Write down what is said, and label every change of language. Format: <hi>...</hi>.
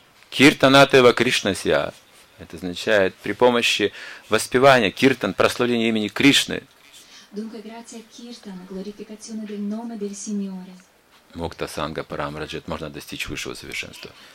<sa>Киртанатева Кришнасья.</sa> <ru>Это означает при помощи воспевания, киртан, прославления имени Кришны.</ru> <it>Dunque, grazie a kirtan, glorificazione del nome del Signore.</it> <sa>Мукта санга парамраджет,</sa> <ru>можно достичь высшего совершенства.</ru>